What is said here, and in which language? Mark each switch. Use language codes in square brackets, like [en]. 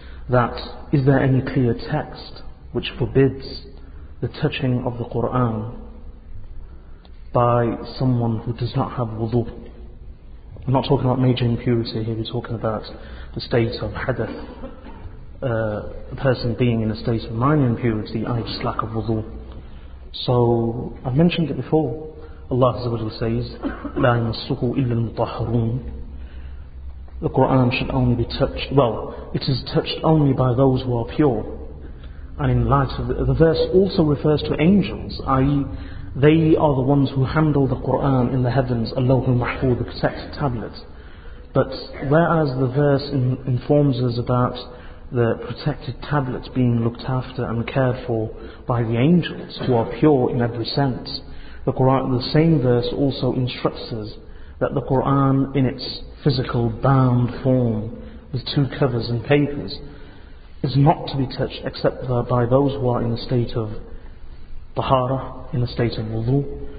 [en] That, is there any clear text which forbids the touching of the Qur'an by someone who does not have wudu? I'm not talking about major impurity here, we're talking about the state of hadith. A person being in a state of minor impurity, i.e. just lack of wudu. So, I've mentioned it before. Allah says, [ar] لا يمسه إلا المطهرون. [en] The Qur'an should only be touched, well, it is touched only by those who are pure. And in light of the verse also refers to angels, i.e. they are the ones who handle the Qur'an in the heavens, Allahul Mahfuz, the protected tablet. But whereas the verse informs us about the protected tablets being looked after and cared for by the angels who are pure in every sense, the Qur'an, the same verse also instructs us that the Qur'an in its physical bound form with two covers and papers is not to be touched except by those who are in a state of tahara, in a state of wudu.